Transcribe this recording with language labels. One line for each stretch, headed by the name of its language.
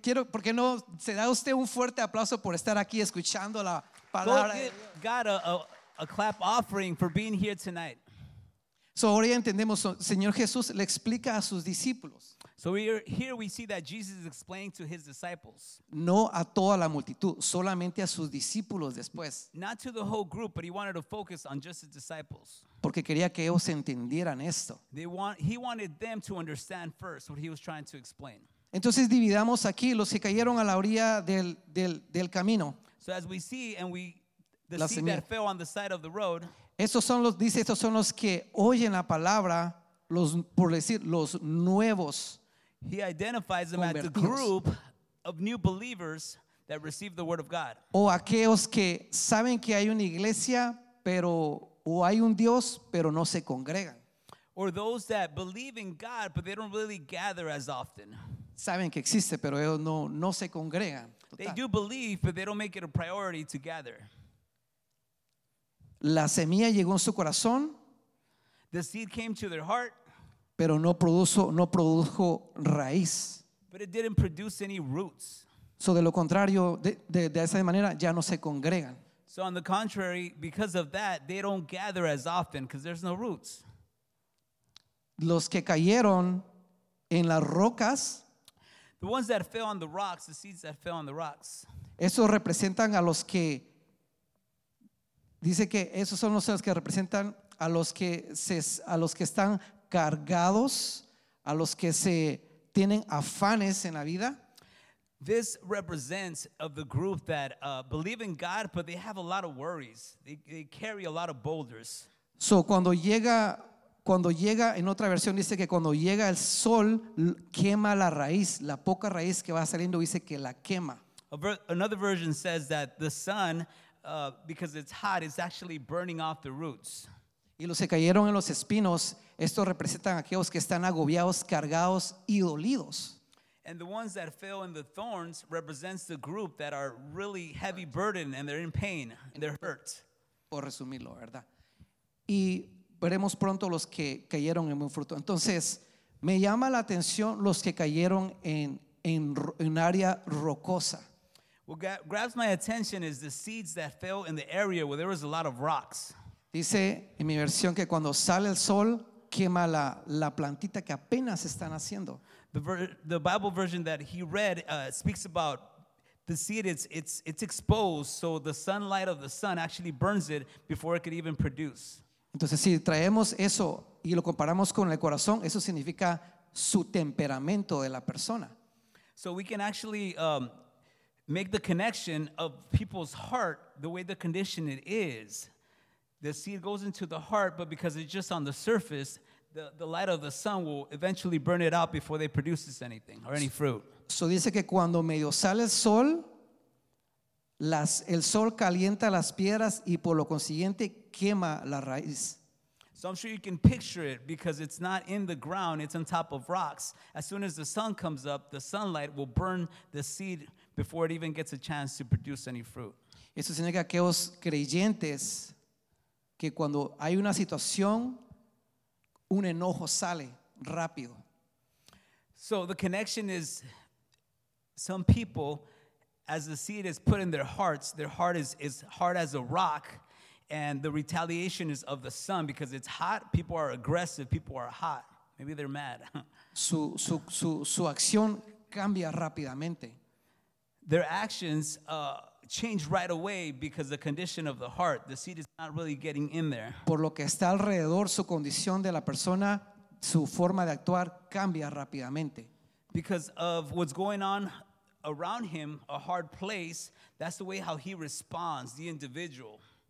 Spanish: Porque no se da usted un fuerte aplauso por estar aquí escuchando la palabra.
English: God, a clap offering for being here tonight.
Spanish: So ahora ya entendemos, Señor Jesús le explica a sus discípulos.
English: So here we see that Jesus is explaining to his disciples.
Spanish: No a toda la multitud, solamente a sus discípulos después.
English: Not to the whole group, but he wanted to focus on just his disciples.
Spanish: Porque quería que ellos entendieran esto.
English: He wanted them to understand first what he was trying to explain.
Spanish: Entonces dividamos aquí los que cayeron a la orilla del camino.
English: So as we see, and we the la seed semilla. That fell on the side of the road.
Spanish: Estos son los que oyen la palabra. Los nuevos.
English: He identifies them as the group of new believers that receive the word of God.
Spanish: O aquellos que saben que hay una iglesia, pero o hay un Dios, pero no se congregan.
English: Or those that believe in God, but they don't really gather as often.
Spanish: Saben que existe, pero ellos no se congregan. Total.
English: They do believe, but they don't make it a priority to gather.
Spanish: La semilla llegó en su corazón.
English: The seed came to their heart,
Spanish: pero no produjo raíz.
English: But it didn't produce any roots.
Spanish: So de lo contrario, de esa manera ya no se congregan.
English: So on the contrary, because of that, they don't gather as often because there's no roots.
Spanish: Los que cayeron en las rocas,
English: the ones that fell on the rocks, the seeds that fell on the rocks.
Spanish: Esos representan a los que dice que esos son los que representan a los que están cargados, a los que se tienen afanes en la vida.
English: This represents of the group that believe in God, but they have a lot of worries. They carry a lot of boulders.
Spanish: So cuando llega, en otra versión dice que cuando llega el sol, quema la raíz, la poca raíz que va saliendo, dice que la quema.
English: Another version says that the sun, because it's hot, is actually burning off the roots.
Spanish: Y los que cayeron en los espinos, estos representan a aquellos que están agobiados, cargados y dolidos.
English: And the ones that fell in the thorns represents the group that are really heavy burden and they're in pain, and they're hurt.
Spanish: Por resumirlo, ¿verdad? Y veremos pronto los que cayeron en buen fruto. Entonces, me llama la atención los que cayeron en área rocosa.
English: What grabs my attention is the seeds that fell in the area where there was a lot of rocks.
Spanish: Dice en mi versión que cuando sale el sol, quema la plantita que apenas están haciendo.
English: The Bible version that he read speaks about the seed. It's exposed, so the sunlight of the sun actually burns it before it could even produce.
Spanish: Entonces, si traemos eso y lo comparamos con el corazón, eso significa su temperamento de la persona.
English: So we can actually make the connection of people's heart the way the condition it is. The seed goes into the heart, but because it's just on the surface, the light of the sun will eventually burn it out before they produce anything or any fruit.
Spanish: So dice que cuando medio sale el sol, el sol calienta las piedras y por lo consiguiente quema la raíz.
English: So I'm sure you can picture it because it's not in the ground, it's on top of rocks. As soon as the sun comes up, the sunlight will burn the seed before it even gets a chance to produce any fruit.
Spanish: Eso significa que los creyentes, que cuando hay una situación, un enojo sale rápido.
English: So the connection is some people, as the seed is put in their hearts, their heart is hard as a rock, and the retaliation is of the sun because it's hot. People are aggressive. People are hot. Maybe they're mad.
Spanish: Su acción cambia rápidamente.
English: Their actions change right away because the condition of the heart, the seed is not really getting in there.
Spanish: Por lo que está alrededor, su condición de la persona, su forma de actuar cambia rápidamente.
English: Because of what's going on around him, a hard place, that's the way how he responds, the individual.